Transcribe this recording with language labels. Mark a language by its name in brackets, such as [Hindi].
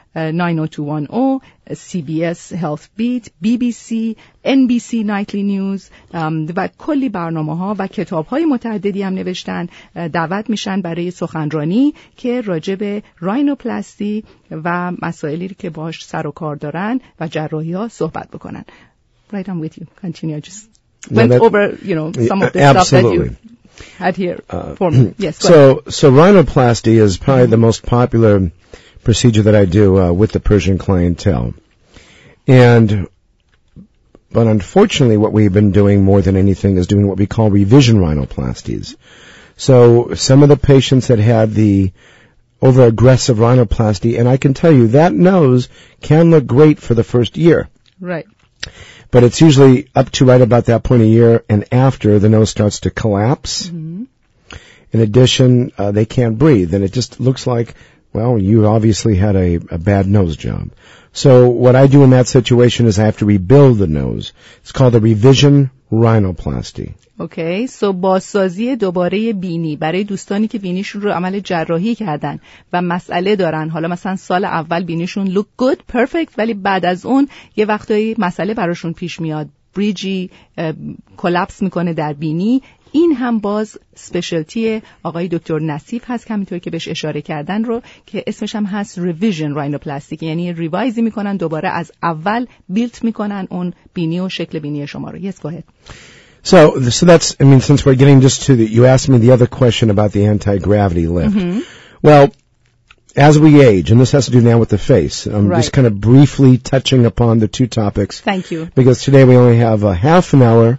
[Persian] 90210, CBS Health Beat, BBC, NBC Nightly News و کلی برنامه ها و کتاب های متعددی هم نوشتن، دعوت میشن برای سخنرانی که راجع به راینوپلاستی و مسائلی که باش سر و کار دارن و جراحی ها صحبت بکنن. [English] Right, I'm with you. Continue. I just went over, you know, some of the absolutely. Stuff that you... Had here for me. Yes. So rhinoplasty is probably the most popular procedure that I do with the Persian clientele. But unfortunately, what we've been doing more than anything is doing what we call revision rhinoplasties. So some of the patients that had the over-aggressive rhinoplasty, and I can tell you that nose can look great for the first year. Right. But it's usually up to right about that point a year and after the nose starts to collapse. Mm-hmm. In addition, they can't breathe. And it just looks like, well, you obviously had a bad nose job. So what I do in that situation is I have to rebuild the nose. It's called a revision rhinoplasty. [Persian] Okay, so بازسازی دوباره بینی برای دوستانی که بینیشون رو عمل جراحی کردن و مسئله دارن، حالا مثلا سال اول بینیشون [English] look good, perfect, [Persian] ولی بعد از اون یه وقتایی مسئله براشون پیش میاد، بریجی کلاپس میکنه در بینی، این هم باز سپیشلتی آقای دکتر نصیف هست که همینطور که بهش اشاره کردن رو که اسمش هم هست revision rhinoplasty، یعنی ریوایزی میکنن دوباره از اول بیلت میکنن اون بینی و شکل بینی شما رو. [English] Yes, go ahead. So that's, I mean, since we're getting just to the, you asked me the other question about the anti-gravity lift. Mm-hmm. Well, as we age, and this has to do now with the face, right. Just kind of briefly touching upon the two topics. Thank you. Because today we only have a half an hour,